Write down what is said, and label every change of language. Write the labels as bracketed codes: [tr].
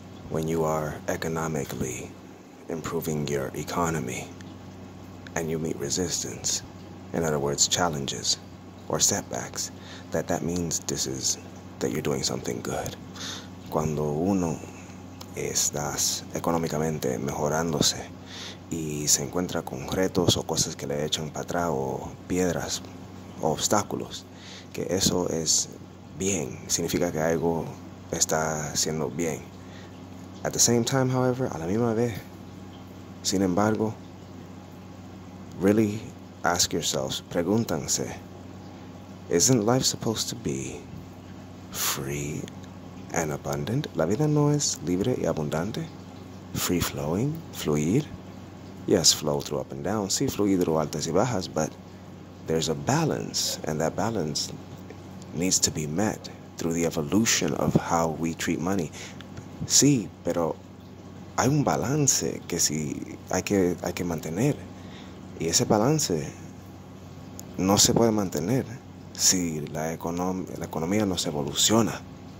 [en] When you are economically improving your economy and you meet resistance, in other words, challenges or setbacks, that means this is that you're doing something good. [es] Cuando uno estás económicamente mejorándose y se encuentra con retos o cosas que le echan para atrás o piedras o obstáculos, que eso es bien, significa que algo está haciendo bien. [en] At the same time, however, [es] a la misma vez, sin embargo, [en] really ask yourselves, [es] pregúntanse, [en] isn't life supposed to be free and abundant? [es] La vida no es libre y abundante? [en] Free flowing? [es] Fluir? [en] Yes, flow through up and down. [es] Sí, fluir [en] through [es] altas y bajas, [en] but there's a balance, and that balance needs to be met through the evolution of how we treat money. [es] Sí, pero hay un balance que si hay que mantener. Y ese balance no se puede mantener si la economía no se evoluciona.